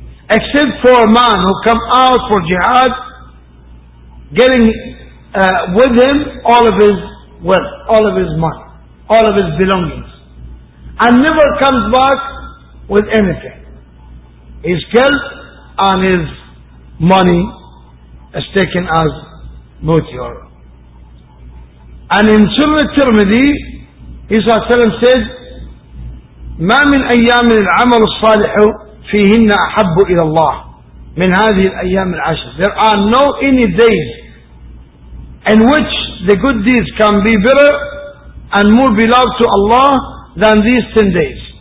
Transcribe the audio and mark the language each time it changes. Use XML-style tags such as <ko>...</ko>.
<en>Except for a man who come out for jihad, getting with him all of his wealth, all of his money, all of his belongings, and never comes back with anything. His guilt and his money is taken as booty. And in Sunan Tirmidhi, he said,</en> <ar>مَا مِنْ أَيَّامِ الْعَمَلُ الصَّالِحُ فِيهِنَّ أَحَبُّ إِلَى اللَّهِ مِنْ هَذِهِ الْأَيَّامِ الْعَشْرِ.</ar> <en>There are no any days in which the good deeds can be better and more beloved to Allah than these 10 days.</en>